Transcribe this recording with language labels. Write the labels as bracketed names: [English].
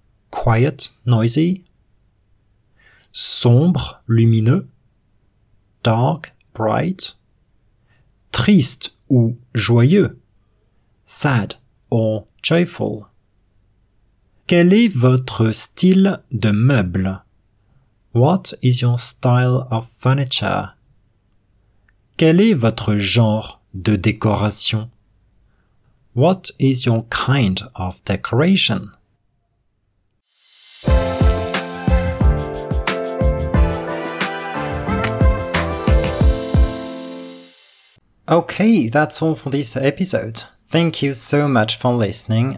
[English] Quiet, noisy? [French] Sombre, lumineux? [English] Dark, bright? [French] Triste ou joyeux? [English] Sad or joyful? [French] Quel est votre style de meubles? [English] What is your style of furniture? [French] Quel est votre genre de décoration? [English] What is your kind of decoration? Okay, that's all for this episode. Thank you so much for listening.